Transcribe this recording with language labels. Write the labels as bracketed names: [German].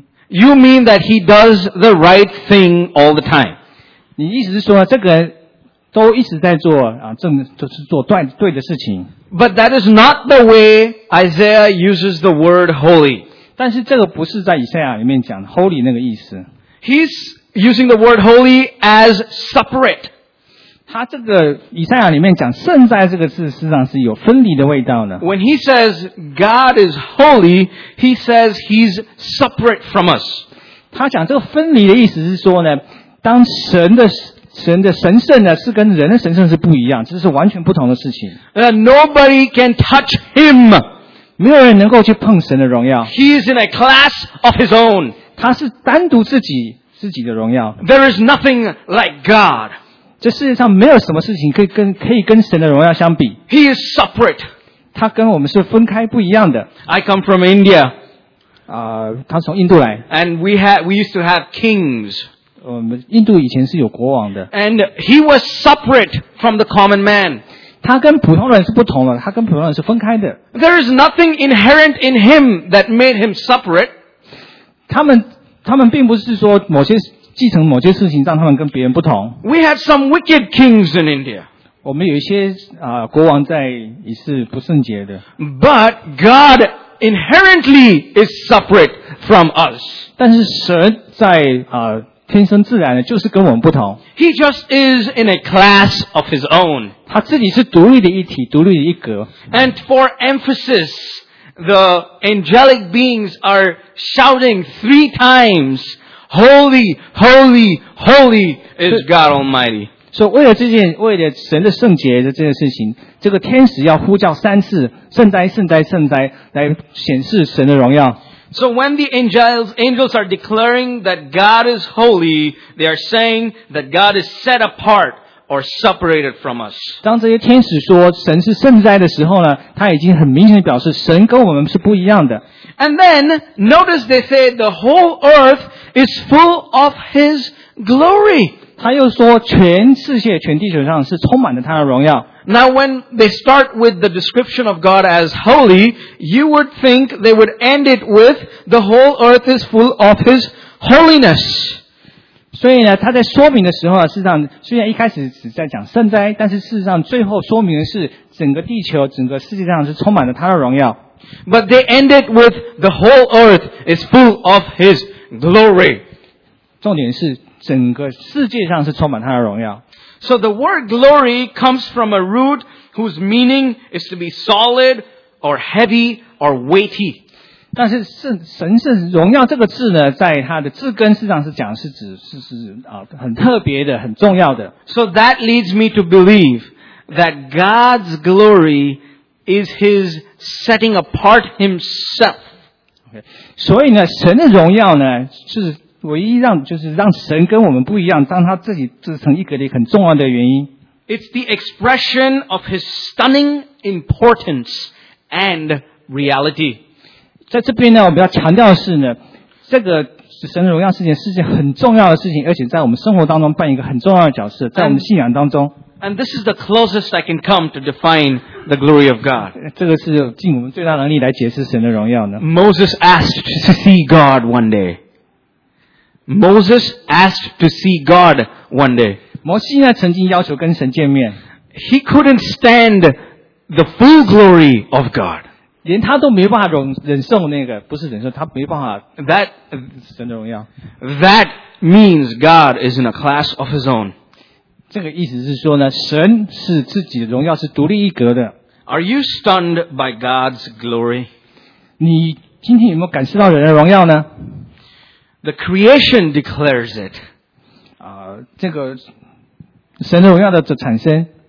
[English] You mean that he does the right thing all the time. [Chinese] 你意思是说这个都一直在做正就是做对的事情。 [English] But that is not the way Isaiah uses the word holy. [Chinese] 但是这个不是在以赛亚里面讲 holy 那个意思。 [English] He's using the word holy as separate. [Chinese] 他这个以赛亚里面讲圣哉这个字实际上是有分离的味道呢。 [English] When he says God is holy, he says he's separate from us. [Chinese] 他讲这个分离的意思是说呢，当神的神圣呢是跟人的神圣是不一样，这是完全不同的事情。 [English] Nobody can touch him. [Chinese] 没有人能够去碰神的荣耀。 [English] He is in a class of his own. [Chinese] 他是单独自己的荣耀。 [English] There is nothing like God. [Chinese] 这世界上没有什么事情可以跟神的荣耀相比。 [English] He is separate. [Chinese] 他跟我们是分开不一样的。 [English] I come from India. [Chinese] 他从印度来。 [English] And we used to have kings. [Chinese] 印度以前是有国王的。 [English] And he was separate from the common man. [Chinese] 他跟普通人是不同的，他跟普通人是分开的。 [English] There is nothing inherent in him that made him separate. [Chinese] 他们并不是说某些继承某些事情让他们跟别人不同。 [English] We had some wicked kings in India. [Chinese] 我们有一些国王在也是不圣洁的。 [English] But God inherently is separate from us. [Chinese] 但是神在天生自然的就是跟我们不同。 [English] He just is in a class of his own. [Chinese] 他自己是独立的一体，独立的一格。 [English] And for emphasis, the angelic beings are shouting three times, "Holy, holy, holy is God Almighty." [Chinese] 所以为了神的圣洁的这件事情，这个天使要呼叫三次，圣哉，圣哉，圣哉，来显示神的荣耀。 [English] So when the angels are declaring that God is holy, they are saying that God is set apart or separated from us. [Chinese] 当这些天使说神是圣哉的时候呢，他已经很明显表示神跟我们是不一样的。 [English] And then, notice they say the whole earth is full of his glory. [Chinese] 他又说全世界全地球上是充满了他的荣耀。 [English] Now when they start with the description of God as holy, you would think they would end it with the whole earth is full of his holiness. [Chinese] 所以呢他在说明的时候事实上虽然一开始只在讲圣哉，但是事实上最后说明的是整个地球整个世界上是充满了他的荣耀。 [English] But they end it with the whole earth is full of his glory. [Chinese] 重点是整个世界上是充满他的荣耀。 [English] So the word glory comes from a root whose meaning is to be solid or heavy or weighty. [Chinese] 但是神圣荣耀这个字呢，在它的字根实际上是讲是指是很特别的，很重要的。 [English] So that leads me to believe that God's glory is His setting apart Himself. [Chinese] Okay. 所以呢，神的荣耀呢是。唯一让就是让神跟我们不一样，让他自己自成一格的很重要的原因。 [English] It's the expression of his stunning importance and reality. [Chinese] 在这边呢，我们要强调的是呢，这个神的荣耀事件是件很重要的事情，而且在我们生活当中扮演一个很重要的角色，在我们信仰当中。 [English] And this is the closest I can come to define the glory of God. [Chinese] 这个是尽我们最大能力来解释神的荣耀呢。 [English] Moses asked to see God one day. Moses asked to see God one day. [Chinese] 摩西呢曾经要求跟神见面。 [English] He couldn't stand the full glory of God. [Chinese] 连他都没办法忍受那个，不是忍受，他没办法。 [English] That [Chinese] 神的荣耀。 [English] That means God is in a class of his own. [Chinese] 这个意思是说呢，神是自己的荣耀是独立一格的。 [English] Are you stunned by God's glory? [Chinese] 你今天有没有感受到人的荣耀呢？ [English] The creation declares it. [Chinese] 这个神的荣耀的产生。